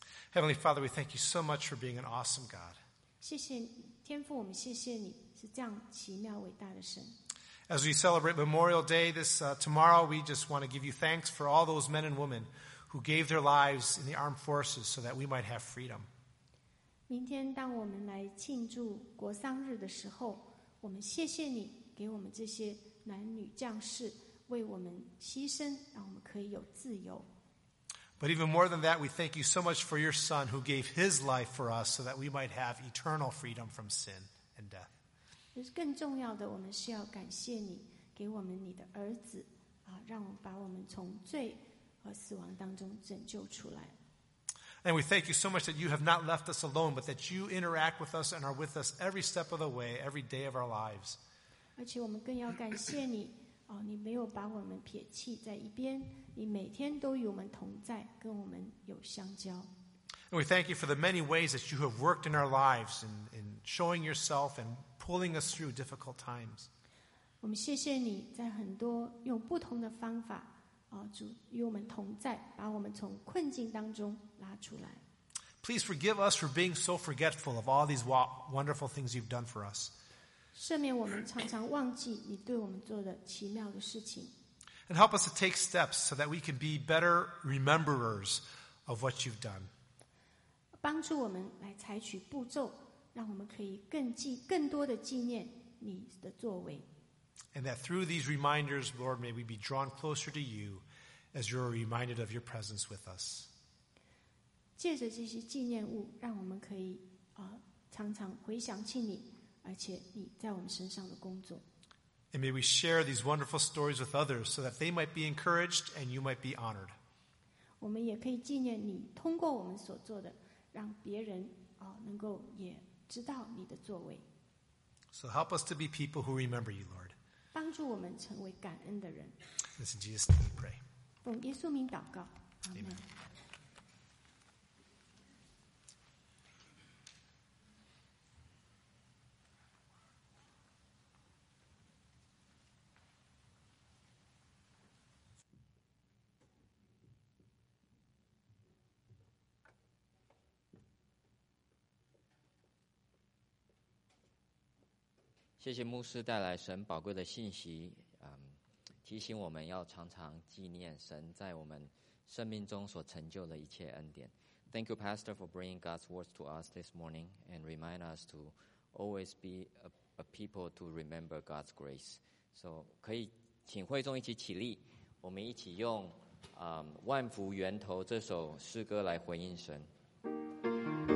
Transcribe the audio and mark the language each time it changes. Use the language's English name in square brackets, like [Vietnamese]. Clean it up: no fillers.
[English] Heavenly Father, we thank you so much for being an awesome God. [Chinese] 谢谢天父，我们谢谢你是这样奇妙伟大的神。 [English] As we celebrate Memorial Day this tomorrow, we just want to give you thanks for all those men and women who gave their lives in the armed forces so that we might have freedom. [Chinese] 明天当我们来庆祝国丧日的时候，我们谢谢你给我们这些男女将士。为我们牺牲，让我们可以有自由。 [English] But even more than that, we thank you so much for your Son who gave his life for us so that we might have eternal freedom from sin and death. [Chinese] 更重要的，我们是要感谢你，给我们你的儿子，让我们把我们从罪和死亡当中拯救出来。 [English] And we thank you so much that you have not left us alone, but that you interact with us and are with us every step of the way, every day of our lives. [Chinese] 而且我们更要感谢你。你没有把我们撇弃在一边，你每天都与我们同在，跟我们有相交。 [English] And we thank you for the many ways that you have worked in our lives and showing yourself and pulling us through difficult times. [Chinese] 我们谢谢你在很多用不同的方法，主与我们同在，把我们从困境当中拉出来。 [English] Please forgive us for being so forgetful of all these wonderful things you've done for us. [Chinese] 赦免我们常常忘记你对我们做的奇妙的事情。 [English] And help us to take steps so that we can be better rememberers of what you've done. [Chinese] 帮助我们来采取步骤，让我们可以更多的纪念你的作为。 [English] And that through these reminders, Lord, may we be drawn closer to you as you are reminded of your presence with us. [Chinese] 借着这些纪念物，让我们可以常常回想起你。而且你在我们身上的工作。 [English] And may we share these wonderful stories with others so that they might be encouraged and you might be honored. [Chinese] 我们也可以纪念你通过我们所做的，让别人能够也知道你的作为。 [English] So help us to be people who remember you, Lord. [Chinese] 帮助我们成为感恩的人。 [English] In Jesus' name we pray. [Chinese] 奉耶稣名祷告。 [English] Amen. [Chinese] 谢谢牧师带来神宝贵的信息，提醒我们要常常纪念神在我们生命中所成就的一切恩典。 [English] Thank you Pastor for bringing God's words to us this morning and remind us to always be a people to remember God's grace. [Chinese] So 可以请会众一起起立，我们一起用万福源头这首诗歌来回应神。